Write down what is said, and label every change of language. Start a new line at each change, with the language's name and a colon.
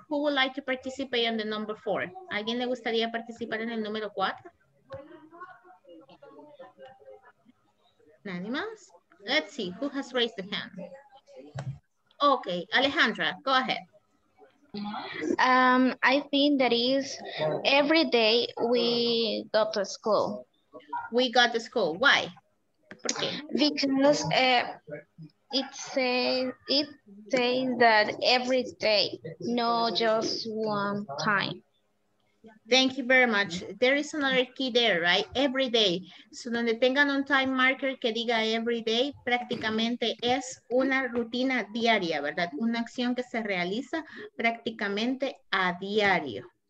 English: Who would like to participate on the number four?
Spanish: ¿Alguien le gustaría participar en el número cuatro? ¿Nadie más?
English: Let's see, who has raised the hand? Okay, Alejandra, go ahead. I think that is every day we go to school. We go to school, why?
Spanish: ¿Por qué?
English: Because it says that every day, not just one time. Thank you very much. There is another key there, right? Every day.
Spanish: So donde tengan un time marker que diga every day, prácticamente es una rutina diaria, ¿verdad? Una acción que se realiza prácticamente a diario.